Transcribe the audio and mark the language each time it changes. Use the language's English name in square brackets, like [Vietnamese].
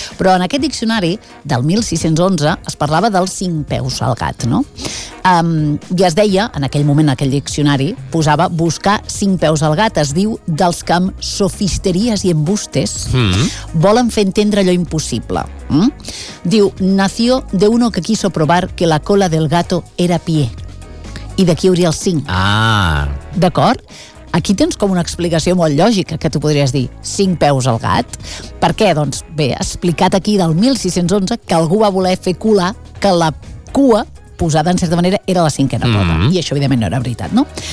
[Catalan] Però en aquest diccionari del 1611 es parlava dels 5 peus al gat, no? I es deia, en aquell moment, aquell diccionari, posava buscar 5 peus al gat, es diu, dels que amb sofisteries i embustes volen fer entendre allò impossible. Diu, [Spanish] nació de uno que quiso probar que la cola del gato era pie. [Catalan] I d'aquí hauria el 5. Ah. D'acord? Aquí tens com una explicació molt lògica, que tu podries dir 5 peus al gat. Per què? Doncs bé, explicat aquí del 1611 que algú va voler fer colar que la cua posada en certa manera era la cinquena pota. I això evidentment no era veritat, no?